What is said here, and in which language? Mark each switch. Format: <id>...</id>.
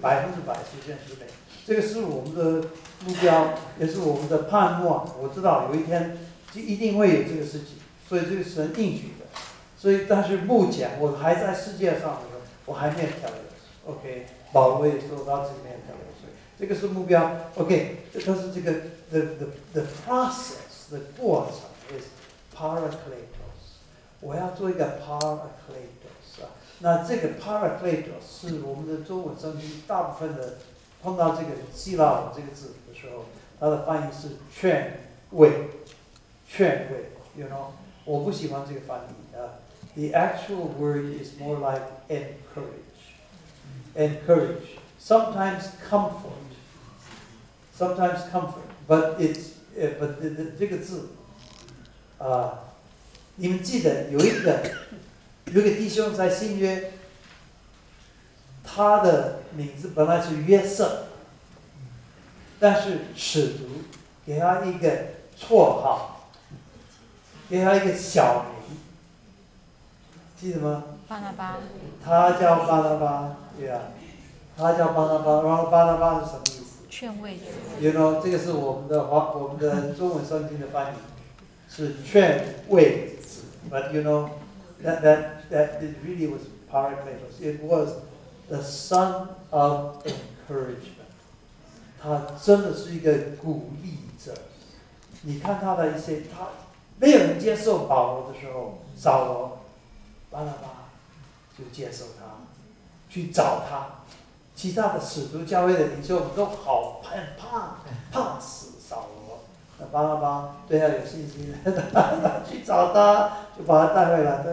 <zh>百分之百实现之美，这个是我们的目标，也是我们的盼望。我知道有一天就一定会有这个事情，所以这个神应许的。所以，但是目前我还在世界上的时候，我还没有跳跃。 OK， 保罗也说到这里面跳跃，所以这个是目标。 OK， 这都是这个</zh> <en>the process</en> <zh>的过程 is parakletos。我要做一个 parakletos 啊，那这个 parakletos 是我们的中文圣经大部分的碰到这个希腊文这个字的时候，它的翻译是劝慰，劝慰。</zh> <en>You know，</en> <zh>我不喜欢这个翻译啊。</zh> <en>The actual word is more like encourage. Encourage. Sometimes comfort. Sometimes comfort. But it's, but the, the,</en> <zh>这个字，你们记得有一个弟兄在新约，他的名字本来是约瑟，但是使徒给他一个绰号，给他一个小名。记得吗？巴拿巴，他叫巴拿巴，对啊，他叫巴拿巴。然后巴拿巴是什么意思？劝慰。</zh> <en>You know，</en> <zh>这个是我们的华，我们的中文圣经的翻译是劝慰子。</zh> <en>But you know， that it really was paracletos. It was the son of encouragement.</en> <zh>他真的是一个鼓励者。你看他的一些，他没有人接受保罗的时候，扫罗。巴拿巴就接受他，去找他。其他的使徒教会的领袖都好很怕死扫罗，那巴拿巴对他有信心，他去找他，就把他带回来。</zh>